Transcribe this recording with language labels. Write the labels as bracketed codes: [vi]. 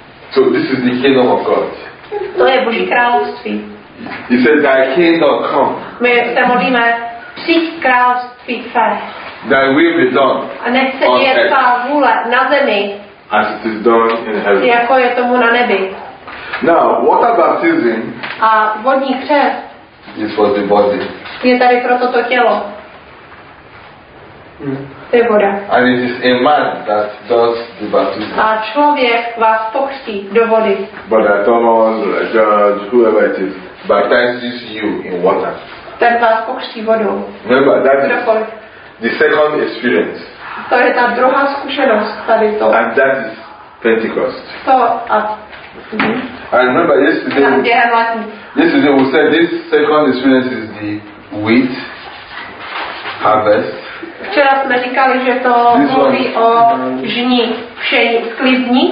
[en] So this is the kingdom of God. [cs] To je Boží království. [en] He said, "Thy kingdom come." [cs] My se modlíme, přijď království. [en] Thy will be done. [cs] A nech se děje tvá vůle na zemi. [en] As it is done in heaven. [cs] Jako je tomu na nebi. [en] Now, water baptism. [cs] A vodní křest. [en] Is for the body. [cs] Je tady pro toto tělo. To je voda. [en] And it is a man that does the baptism. [cs] A člověk vás pokřtí do vody. [en] But I Thomas, George, whoever it is, baptizes you in water. [cs] Ten vás pokřtí vodou. [en] Remember, that is the second experience. [cs] To je ta druhá zkušenost tady to. [en] And that is Pentecost. [cs] To a [en] I remember yesterday we said this second experience is the wheat harvest. [cs] Včera jsme říkali, že to mluví o žní, všejní, sklizní.